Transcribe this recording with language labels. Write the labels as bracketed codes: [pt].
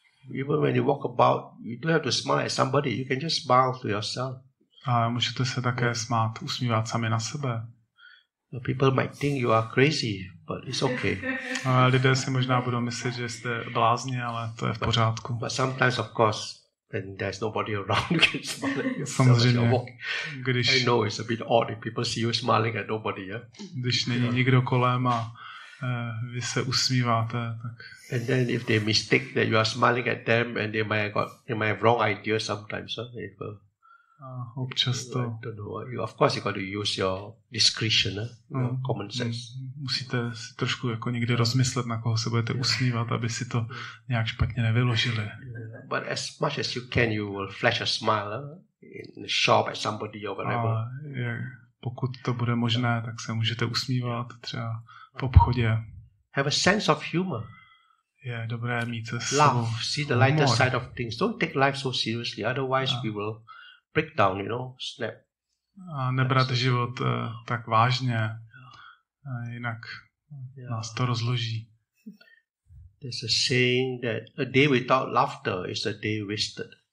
[en] Even when you walk about, you don't have to smile at somebody. You can just smile to yourself. [cs] A můžete se také smát, usmívat sami na sebe. [en] People might think you are crazy, but it's okay. [cs] A lidé si možná budou myslet, že jste blázni, ale to je v pořádku. [en] But sometimes, of course, when there's nobody around, you can smile. [cs] Samozřejmě. Když... [en] I know it's a bit odd if people see you smiling at nobody. Yeah? [cs] Když není nikdo kolem a vy se usmíváte, tak... [en] And then if they mistake that you are smiling at them and they might have wrong ideas sometimes, huh? If, [cs] občas to... [en] I don't know. Of course, you got to use your discretion, common sense. [cs] Musíte si trošku jako někdy rozmyslet, na koho se budete usmívat, aby si to nějak špatně nevyložili. [en] Yeah. But as much as you can, you will flash a smile, in the shop at somebody or whatever. [cs] Pokud to bude možné, tak se můžete usmívat třeba v obchodě. [en] Have a sense of humor. [cs] Je dobré mít se s sebou. [en] See the lighter side of things. Don't take life so seriously, otherwise we will break down, you know, snap. [cs] A nebrat život tak vážně, jinak nás to rozloží. [en] There's a saying that a day without laughter is a day wasted.